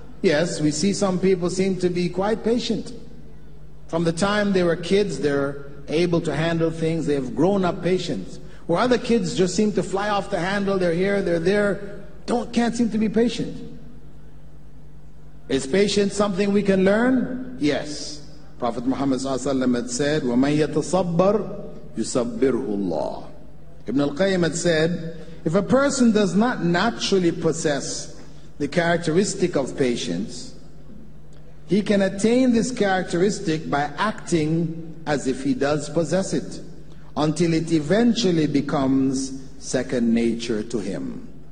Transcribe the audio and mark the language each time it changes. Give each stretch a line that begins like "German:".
English: Yes, we see some people seem to be quite patient. From the time they were kids, they're able to handle things. They have grown up patient. Where other kids just seem to fly off the handle. They're here, they're there. Can't seem to be patient. Is patience something we can learn? Yes. Prophet Muhammad ﷺ had said,
Arabic: وَمَنْ يَتَصَبَّرْ يُصَبِّرْهُ اللَّهُ.
English: Ibn al-Qayyim had said, if a person does not naturally possess the characteristic of patience, He can attain this characteristic by acting as if he does possess it, until it eventually becomes second nature to him.